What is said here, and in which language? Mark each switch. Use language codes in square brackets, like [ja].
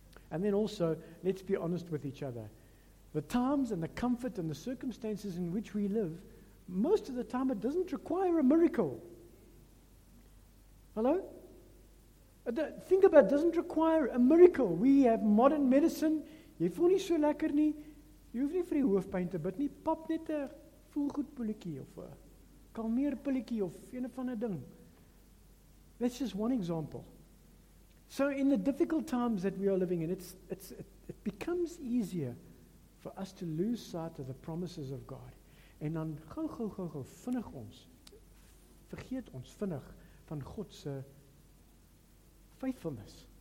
[en] And then also, let's be honest with each other. The times and the comfort and the circumstances in which we live, most of the time it doesn't require a miracle. Hello? Think about it, doesn't require a miracle. We have modern medicine. [af] Jy voel nie so lekker nie. Jy hoef nie vir die hoofpyn te bid nie. Pop net 'n voelgoedpilletjie of 'n kalmeerpilletjie of een van 'n ding. [en] That's just one example. So in the difficult times that we are living in, it becomes easier for us to lose sight of the promises of God. [af] En dan gou vinnig ons vergeet ons vinnig van God se [en] faithfulness.